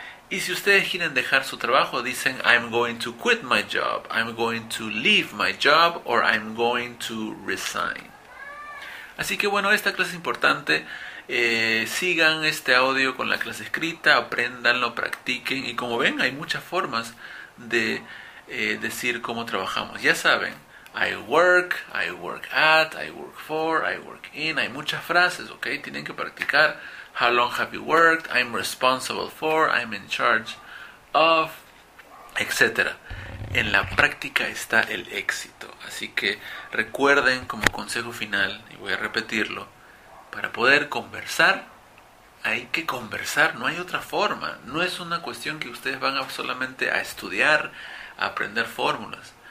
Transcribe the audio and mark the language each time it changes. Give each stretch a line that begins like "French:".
Spanish: Y si ustedes quieren dejar su trabajo, dicen
English: I'm going to quit my job, I'm going to leave my job, or I'm going to resign.
Spanish: Así que bueno, esta clase es importante. Sigan este audio con la clase escrita, apréndanlo, practiquen. Y como ven, hay muchas formas de decir cómo trabajamos. Ya saben,
English: I work at, I work for, I work in.
Spanish: Hay muchas frases, ¿ok? Tienen que practicar.
English: How long have you worked? I'm responsible for, I'm in charge of, etc.
Spanish: En la práctica está el éxito. Así que recuerden como consejo final, y voy a repetirlo, Para poder conversar, hay que conversar, no hay otra forma. No es una cuestión que ustedes van a solamente a estudiar, a aprender fórmulas.